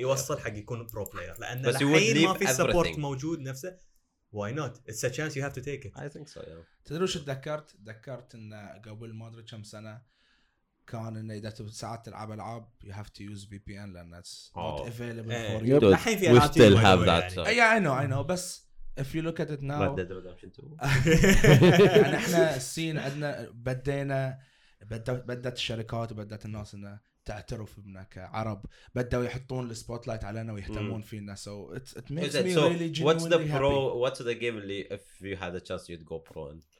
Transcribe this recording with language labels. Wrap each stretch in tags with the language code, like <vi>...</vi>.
<ar>يوصل حق يكون برو بلاير لان لحين ما في سبورت موجود نفسه</ar> <en>why not it's a chance you have to take it I think so yeah.</en> <ar>تدري وش تذكرت ان قبل ما ادري كم سنه كان إن إذا تبي ساعات تلعب ألعاب</ar> <en>you have to use VPN</en> <ar>لأن</ar> <en>it's not available for you.</en> <ar>الحين في ألعاب</ar> <en>still have that. Yeah I know</en> <ar>بس</ar> <en>if you look at it now.</en> <ar>ما تدري ما شنتو. يعني إحنا السين عندنا بدت الشركات وبدت الناس إنه تعترف بنا كعرب بدأوا يحطون السبوت لايت علينا ويهتمون فينا</ar> <en>so it makes me really genuinely happy. What's the pro? What's the game</en> <ar>اللي</ar> <en>if you had a chance you'd go pro in?</en>